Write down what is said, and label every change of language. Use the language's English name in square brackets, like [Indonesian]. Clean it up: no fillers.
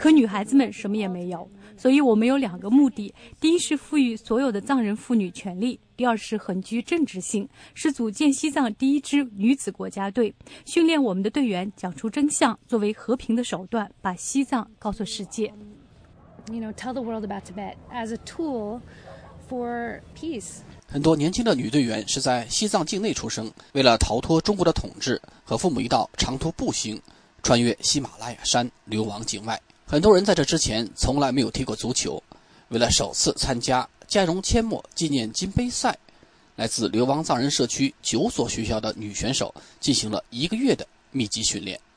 [Chinese] 可女孩子们什么也没有，所以我们有两个目的：第一是赋予所有的藏人妇女权利；第二是很具政治性，是组建西藏第一支女子国家队，训练我们的队员讲出真相，作为和平的手段，把西藏告诉世界。 [English] You know, tell the world about Tibet as a tool for peace. [Chinese] 很多年轻的女队员是在西藏境内出生，为了逃脱中国的统治，和父母一道长途步行穿越喜马拉雅山流亡境外。很多人在这之前从来没有踢过足球，为了首次参加加绒阡陌纪念金杯赛，来自流亡藏人社区9所学校的女选手进行了一个月的密集训练。